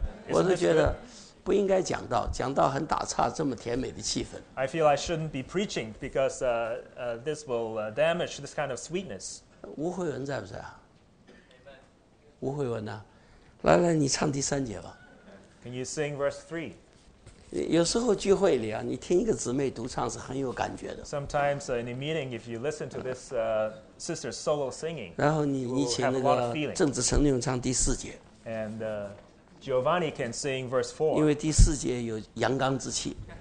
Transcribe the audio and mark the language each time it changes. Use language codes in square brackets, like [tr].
[zh] 我是觉得不应该讲道，讲道很打岔，这么甜美的气氛。 [en] I feel I shouldn't be preaching because this will damage this kind of sweetness. [zh] 吴慧文在不在啊？吴慧文呢？来来，你唱第三节吧。 [en] Can you sing verse three? [zh] 有时候聚会里啊，你听一个姊妹独唱是很有感觉的。 [en] Sometimes in a meeting, if you listen to this sister solo singing, [zh] 然后你请那个郑志成唱第四节。 [en] And Giovanni can sing verse 4. [zh] 因为第四节有阳刚之气。